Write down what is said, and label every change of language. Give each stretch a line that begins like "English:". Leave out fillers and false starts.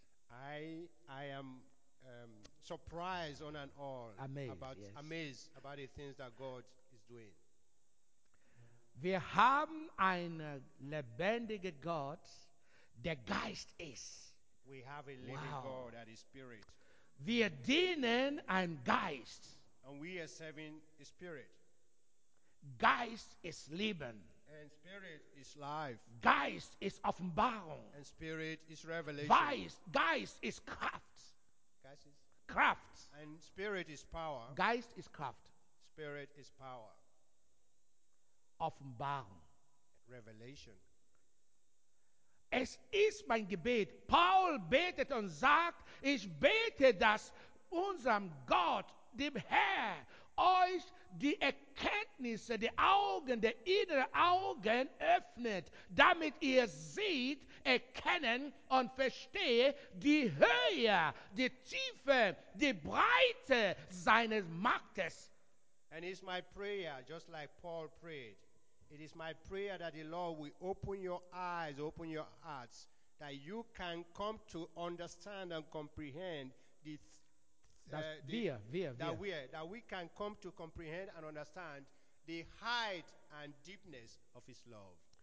English: I am surprised on and all amazed about the things that God is doing.
German: Wir haben einen lebendigen Gott, der Geist ist.
English: We have a living God that is spirit.
German: Wir dienen ein Geist.
English: And we are serving a spirit.
German: Geist ist Leben.
English: And spirit is life.
German: Geist ist Offenbarung.
English: And spirit is revelation.
German: Geist ist Kraft. Kraft.
English: And spirit is power.
German: Geist ist Kraft.
English: Spirit is power.
German: Offenbarung.
English: Revelation.
German: Es ist mein Gebet. Paul betet und sagt, ich bete, dass unserem Gott, dem Herr, euch die Erkenntnisse, die Augen, der innere Augen öffnet, damit ihr seht, erkennen und verstehe die Höhe, die Tiefe, die Breite seines Machtes.
English: And it's my prayer, just like Paul prayed. It is my prayer that the Lord will open your eyes, open your hearts, that you can come to understand and comprehend that we can come to comprehend and understand the height and deepness of his love.